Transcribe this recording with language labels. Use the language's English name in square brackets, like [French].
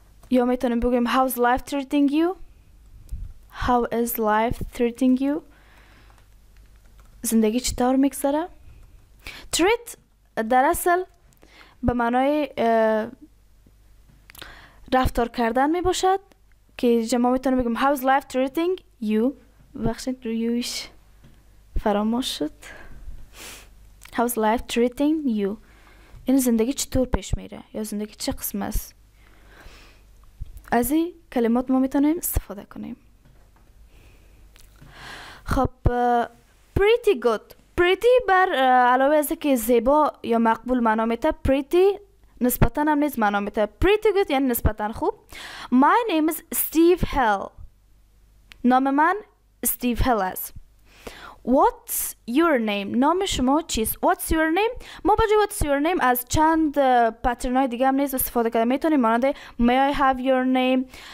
[Persian] یا میتونیم بگیم [English] how's life treating you? How is life treating you? [Persian] زندگی چطور میگذره؟ Treat در اصل به معنای رفتار کردن می باشد که جمع میتونم بگم [English] How's life treating you؟ [Persian] بخشید رویش فراموش شد. [English] How's life treating you؟ [Persian] این زندگی چطور پیش میره یا زندگی چه قسم است؟ از این کلمات ما میتونیم استفاده کنیم. [English] خب pretty good. [Persian] Pretty بر علاوه از که زیبا یا مقبول معنا میده، pretty نسبتاً هم نیز معنا میده. Pretty good یعنی نسبتاً خوب. [English] My name is Steve Hill. [Persian] نام من Steve Hill است. [English] What's your name? [Persian] نام شما چیست؟ [English] What's your name? [Persian] ما بجای What's your name از چند پترن های دیگه هم نیست استفاده کرده میتونیم مانده [English] May I have your name?